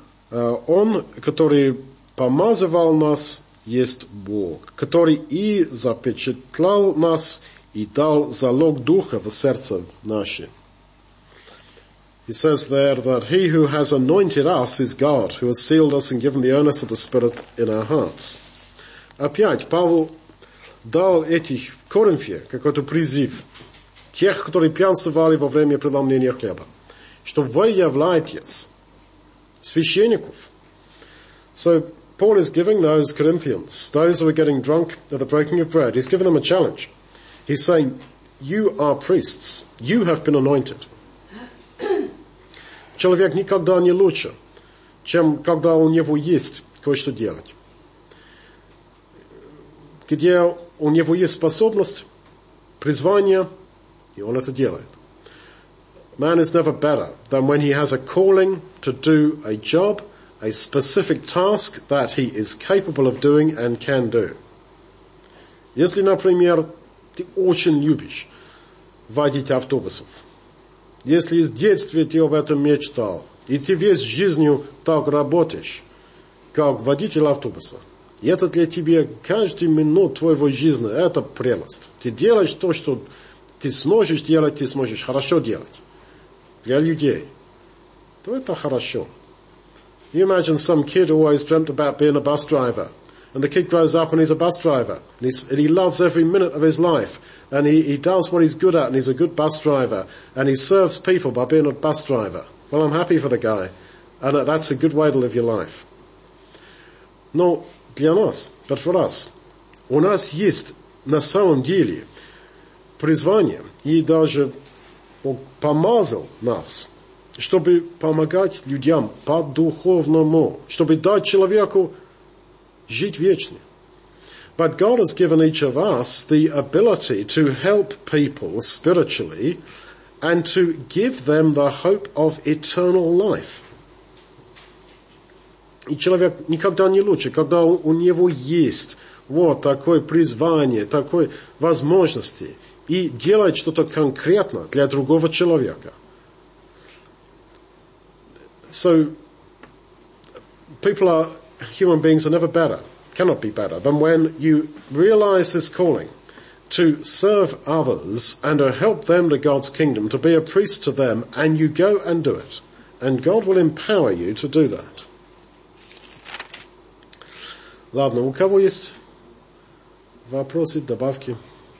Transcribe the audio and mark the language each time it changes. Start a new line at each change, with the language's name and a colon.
Russian: Он, который помазывал нас, есть Бог, который и запечатлал нас, и дал залог Духа в сердце наше.
English: He says there that he who has anointed us is God, who has sealed us and given the earnest of the Spirit in our hearts.
Russian: Опять, Павел дал этих в Коринфе какой-то призыв, тех, которые пьянствовали во время преломления хлеба, что вы являетесь священников.
English: So Paul is giving those Corinthians, those who are getting drunk at the breaking of bread, he's giving them a challenge. He's saying, you are priests, you have been anointed.
Russian: Человек никогда не лучше, чем когда у него есть кое-что делать. Где у него есть способность, призвание, и он это делает.
English: Man is never better than when he has a calling to do a job, a specific task that he is capable of doing and can do.
Russian: Если, например, ты очень любишь водить автобусов. Если с детства ты об этом мечтал, и ты весь жизнью так работаешь, как водитель автобуса, и это для тебя каждую минуту твоего жизни, это прелесть. Ты делаешь то, что ты сможешь делать, ты сможешь хорошо делать для людей. То это хорошо.
English: You imagine some kid who always dreamt about being a bus driver. And the kid grows up and he's a bus driver. And he loves every minute of his life. And he does what he's good at and he's a good bus driver. And he serves people by being a bus driver. Well, I'm happy for the guy. And that's a good way to live your life.
Russian: Но для нас,
English: but for us,
Russian: у нас есть на самом деле призвание и даже Бог помазал нас, чтобы помогать людям по-духовному, чтобы дать человеку жить вечно.
English: But God has given each of us the ability to help people spiritually and to give them the hope of eternal life.
Russian: И человек никогда не лучше, когда у него есть вот такое призвание, такое возможности и делает что-то конкретно для другого человека.
English: So, people are, human beings are never better, cannot be better, than when you realize this calling to serve others and to help them to God's kingdom, to be a priest to them, and you go and do it. And God will empower you to do that.
Russian: Ладно, у кого есть вопросы, добавки?